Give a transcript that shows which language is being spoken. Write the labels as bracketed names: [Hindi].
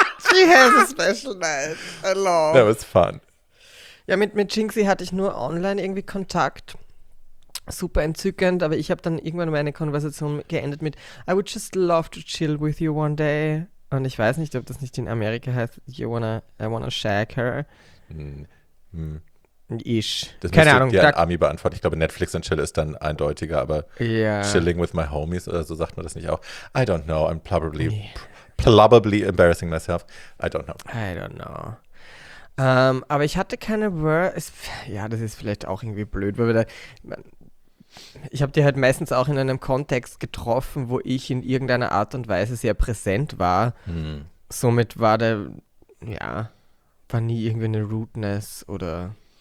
[English] She has a special night, hello. That was fun. [German] Ja, mit Jinxie hatte ich nur online irgendwie Kontakt. Super entzückend, aber ich habe dann irgendwann meine Konversation geendet mit [English] I would just love to chill with you one day. [German] Und ich weiß nicht, ob das nicht in Amerika heißt, [English] I wanna shag her. [German] Ich. Das keine Ahnung. Die Ami beantworten. Ich glaube, Netflix und Chill ist dann eindeutiger, aber yeah. [English] Chilling with my homies [German] oder so sagt man das nicht auch. [English] I don't know. I'm probably, probably embarrassing myself. I don't know. I don't know. [German] Aber ich hatte keine ja, das ist vielleicht auch irgendwie blöd, weil wir da. Ich habe die halt meistens auch in einem Kontext getroffen, wo ich in irgendeiner Art und Weise sehr präsent war. Hm. Somit war der, ja, war nie irgendwie eine Rudeness oder.